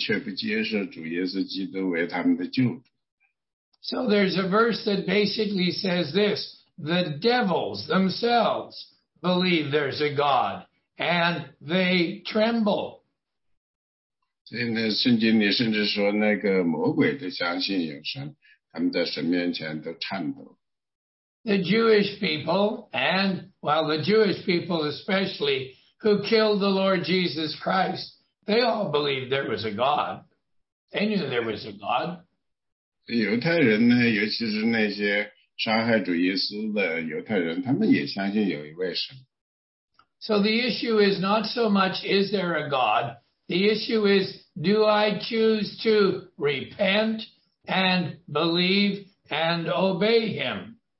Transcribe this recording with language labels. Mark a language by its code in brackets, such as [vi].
[zh] 因为他说确实有很多人，他们知道有一位神，但是他们却不接受主耶稣基督为他们的救主。 [en] So there's a verse that basically says this, the devils themselves believe there's a God, and they tremble. [zh] 所以呢，圣经里甚至说，那个魔鬼都相信有神，他们在神面前都颤抖。The [en] Jewish people, and well, the Jewish people especially, who killed the Lord Jesus Christ, they all believed there was a God. They knew there was a God. [zh] 犹太人呢，尤其是那些杀害主耶稣的犹太人，他们也相信有一位神。 [en] So the issue is not so much, is there a God? The issue is, do I choose to repent and believe and obey him?